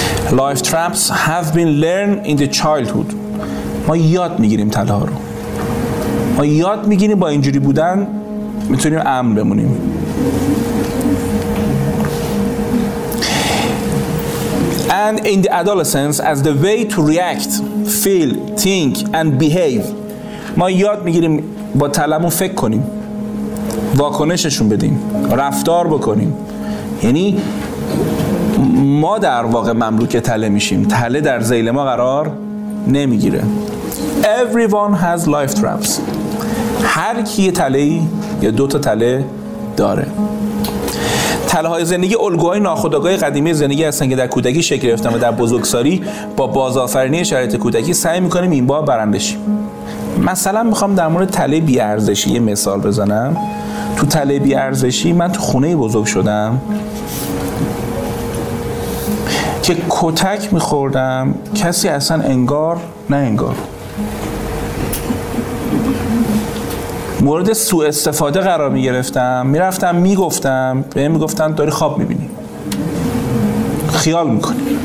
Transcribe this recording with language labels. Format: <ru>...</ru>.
<en>Life traps have been learned in the childhood.</en> <fa>ما یاد میگیریم تله ها رو. ما یاد میگیریم با اینجوری بودن میتونیم امن بمونیم.</fa> <en>And in the adolescence as the way to react, feel, think and behave.</en> <fa>ما یاد میگیریم با تلمون فکر کنیم. واکنششون بدیم. رفتار بکنیم. یعنی ما در واقع مملوک تله میشیم. تله در ذیل ما قرار نمیگیره.</fa> <en>Everyone has life traps.</en> <fa>هر کی یه تله یا دو تا تله داره. تله های زندگی الگوهای ناخودآگاه قدیمی زندگی هستن که در کودکی شکل گرفتن و در بزرگسالی با بازآفرینی شرایط کودکی سعی میکنیم این بار برنده شیم. مثلا میخوام در مورد تله بی ارزشی یه مثال بزنم. تو تله بی ارزشی من تو خونه بزرگ شدم که کتک میخوردم، کسی اصلا انگار نه انگار مورد سوء استفاده قرار میگرفتم، میرفتم میگفتم به این میگفتن داری خواب میبینی، خیال میکنی.</fa>